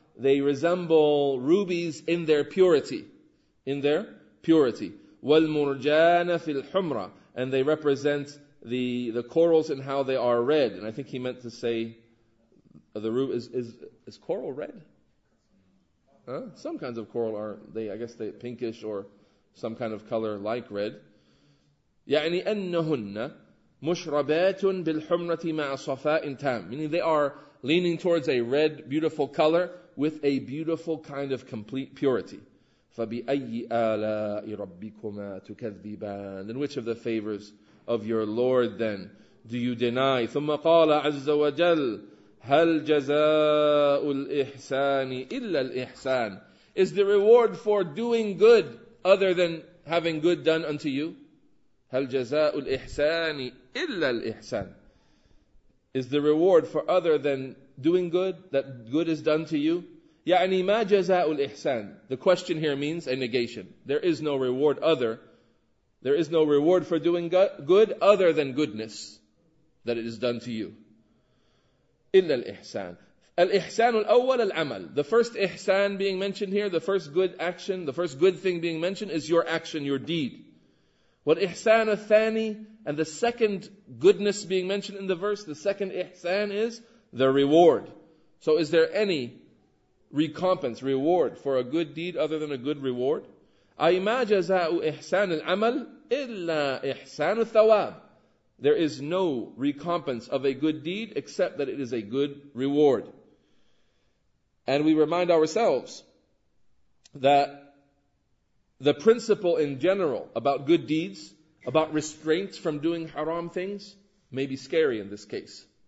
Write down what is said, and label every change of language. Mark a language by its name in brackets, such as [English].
[English] They resemble rubies in their purity. In their purity. [Arabic] وَالْمُرْجَانَ فِي الْحُمْرَةِ. [English] and they represent the corals and how they are red. And I think he meant to say the root is coral red? Huh? Some kinds of coral are they? I guess they pinkish or some kind of color like red. [Arabic] يعني أنهن مشربات بالحمرة مع صفاء تام. [English] Meaning they are leaning towards a red, beautiful color with a beautiful kind of complete purity. [Arabic] فبأي آلاء ربكما تكذبان. [English] Then which of the favors of your Lord then do you deny? [Arabic] ثم قال عز وجل هل جزاء الإحسان إلا الإحسان. [English] Is the reward for doing good other than having good done unto you? [Arabic] هل جزاء الإحسان إلا الإحسان. [English] Is the reward for other than doing good, that good is done to you? [Arabic] يعني ما جزاء الإحسان. [English] The question here means a negation. There is no reward other. There is no reward for doing good other than goodness that it is done to you. [Arabic] إلا الإحسان. الإحسان الأول العمل. [English] The first إحسان being mentioned here, the first good action, the first good thing being mentioned is your action, your deed. [Arabic] والإحسان الثاني, [English] and the second goodness being mentioned in the verse, the second إحسان is the reward. So is there any recompense, reward for a good deed other than a good reward? [Arabic] أي ما جزاء إحسان العمل إلا إحسان الثواب. [English] There is no recompense of a good deed except that it is a good reward. And we remind ourselves that the principle in general about good deeds, about restraints from doing haram things, may be scary in this case.